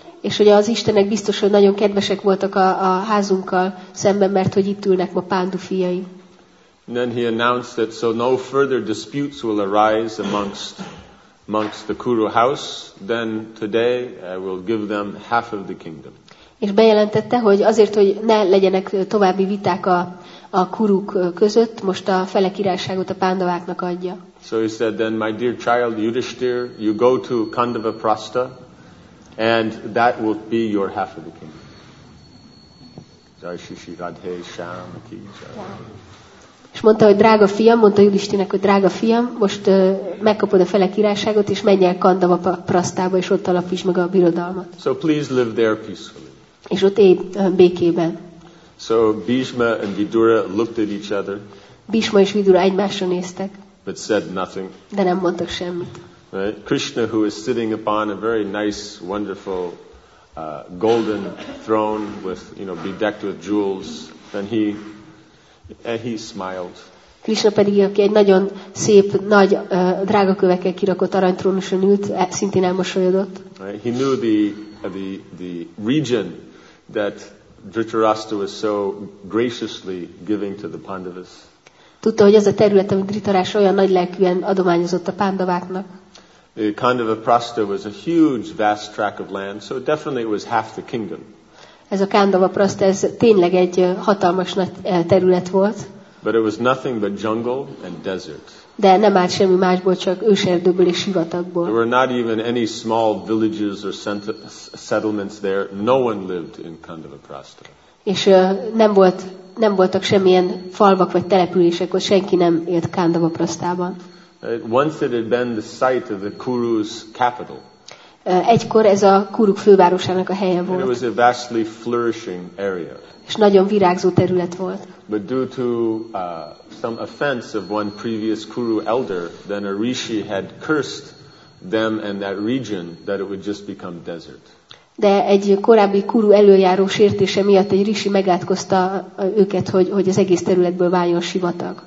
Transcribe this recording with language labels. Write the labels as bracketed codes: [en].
[hu] És hogy az Istenek biztos, hogy nagyon kedvesek voltak a házunkkal szemben, mert hogy itt ülnek ma Pandu fiai. [en] And then he announced that so no further disputes will arise amongst the Kuru house, then today I will give them half of the kingdom. [hu] És bejelentette, hogy azért, hogy ne legyenek további viták a Kuruk között, most a fele királyságot a Pándaváknak adja. [en] So he said, then my dear child Yudhishthir, you go to Kandava Prastha, and that will be your half of the kingdom. [hi] Jaishishi Radhe Sham Ki Jai. [hu] És mondta, hogy drága fiam, mondta Yudhishthirnek, hogy drága fiam, most megkapod a fele királyságot, és menj el Kandava Prasthába, és ott alapítsd meg a birodalmat. [en] So please live there peacefully. [hu] És ott élj békében. [en] So Bhishma and Vidura looked at each other. [hu] Bhishma és Vidura egymásra néztek. [en] But said nothing. [hu] De nem mondtak semmit. [en] Right? Krishna, who is sitting upon a very nice, wonderful golden throne with, you know, bedecked with jewels, then he and he smiled. [hu] Krishna pedig, aki egy nagyon szép, nagy drága kövekkel kirakott aranytrónuson ült, szintén elmosolyodott. [en] Right? He knew the region that Dhritarashtra was so graciously giving to the Pandavas. [hu] Tudta, hogy az a terület, amit Dhritarashtra olyan nagy lelkűen adományozott a Pandaváknak. [en] The Kandava Prastha was a huge, vast tract of land, so definitely it was half the kingdom. [hu] Ez a Kandava Prastha, ez tényleg egy hatalmas nagy terület volt. [en] But it was nothing but jungle and desert. [hu] De nem állt semmi másból, csak őserdőből és sivatagból. [en] There were not even any small villages or settlements there. No one lived in Kandava Prastha. [hu] És nem voltak semmilyen falvak vagy települések, ott senki nem élt Kandava Prasthában. [en] Once it had been the site of the Kuru's capital. [hu] Egykor ez a Kuruk fővárosának a helye volt. [en] It was a vastly flourishing area. [hu] És nagyon virágzó terület volt. [en] But due to some offense of one previous Kuru elder, then a rishi had cursed them and that region that it would just become desert. [hu] De egy korábbi Kuru előjáró sértése miatt egy rishi megátkozta őket, hogy az egész területből váljon sivatag.